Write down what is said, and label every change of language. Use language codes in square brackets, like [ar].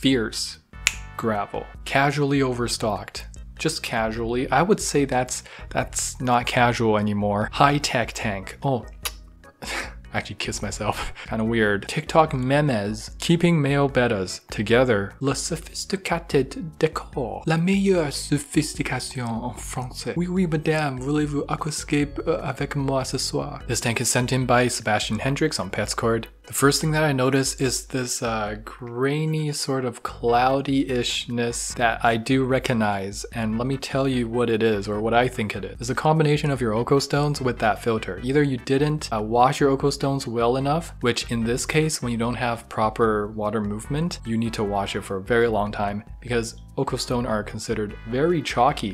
[en] Fierce. Gravel. Casually overstocked. Just casually. I would say that's not casual anymore. High tech tank. Oh, I actually kissed myself. Kind of weird. TikTok memes. Keeping male bettas together. [fr] Le sophisticated décor. La meilleure sophistication en français. Oui, oui, madame. Voulez-vous aquascape avec moi ce soir? [en] This tank is sent in by Sebastian Hendricks on Petscord. The first thing that I notice is this grainy sort of cloudy-ishness that I do recognize. And let me tell you what it is, or what I think it is. It's a combination of your Oko stones with that filter. Either you didn't wash your Oko stones well enough, which in this case, when you don't have proper water movement, you need to wash it for a very long time because Oko stone are considered very chalky.